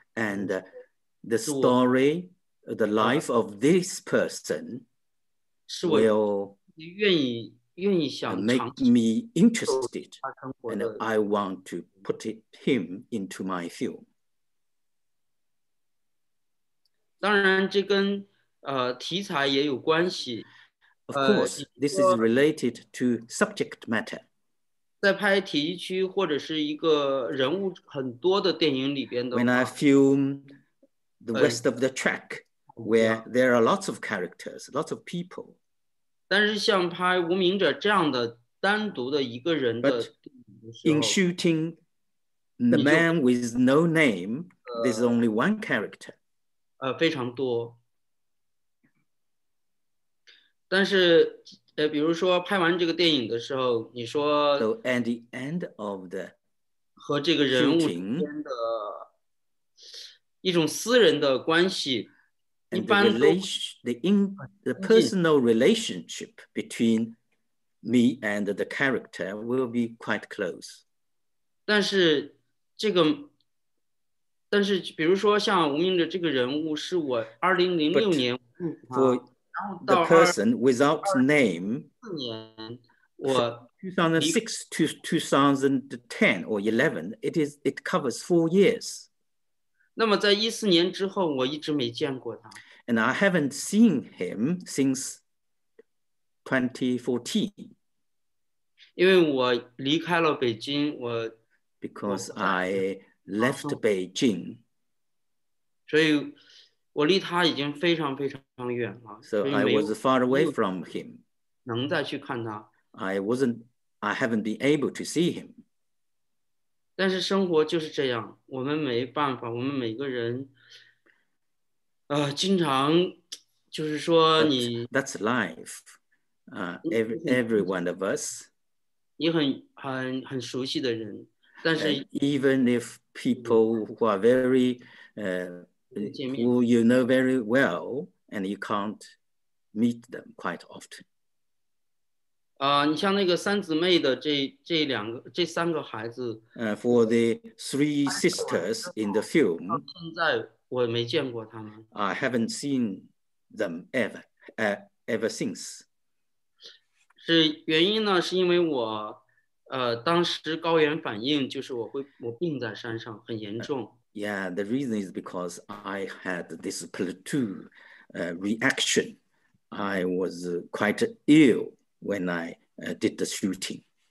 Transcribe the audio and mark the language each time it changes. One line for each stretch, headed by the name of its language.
English: And the story, the life of this person will make me interested, and I want to put him into my film.
Chinese: 当然这跟题材也有关系。
English: Of course, this is related to subject matter.
Chinese: 在拍题区或者是一个人物很多的电影里边的话，
English: When I film the west of the track, where there are lots of characters, lots of people,
Chinese: 但是像拍《无名者》这样的单独的一个人的
English: In shooting the man with no name, there's only one character.
Chinese: 非常多。但是比如说拍完这个电影的时候，你说
English: So at the end of the
Chinese: 和这个人物之间的一种私人的关系，
English: And the personal relationship between me and the character will be quite close.
Chinese: 但是这个，但是比如说像吴明哲这个人物是我2006年
English: ，But for the person without name, 2006 to 2010 or 11, it covers 4 years.
Chinese: 那么在14年之后，我一直没见过他。
English: And I haven't seen him since 2014.
Chinese: 因为我离开了北京，我
English: Because I left Beijing.
Chinese: 所以我离他已经非常非常远了。
English: So I was far away from him.
Chinese: 能再去看他。
English: I haven't been able to see him.
Chinese: 但是生活就是这样，我们没办法，我们每个人经常就是说你
English: That's life. Every one of us.
Chinese: 你很熟悉的人，但是
English: Even if people who are very who you know very well and you can't meet them quite often.
Chinese: 你像那个三姊妹的这三个孩子
English: For the three sisters in the film.
Chinese: 现在我没见过他们。
English: I haven't seen them ever since.
Chinese: 是原因呢？是因为我当时高原反应，就是我病在山上，很严重。
English: Yeah, the reason is because I had this plateau reaction. I was quite ill when I did the shooting.